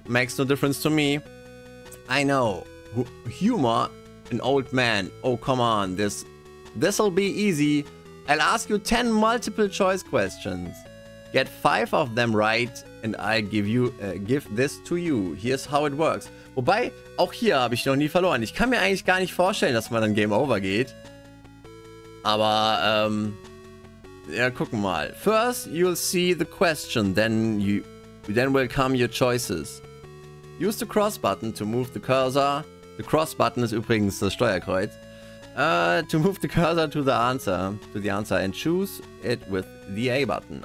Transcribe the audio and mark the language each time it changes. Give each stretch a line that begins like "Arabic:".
English: Makes no difference to me. I know. Humor, an old man. Oh, come on. This'll be easy. I'll ask you 10 multiple choice questions. Get 5 of them right and I'll give this to you. Here's how it works.
German: Wobei, auch hier habe ich noch nie verloren. Ich kann mir eigentlich gar nicht vorstellen, dass man dann Game Over geht. Aber, ja, gucken mal.
English: First, you'll see the question, then will come your choices. Use the cross button to move the cursor. The cross button
German: ist übrigens das Steuerkreuz.
English: To move the cursor to the answer and choose it with the A button.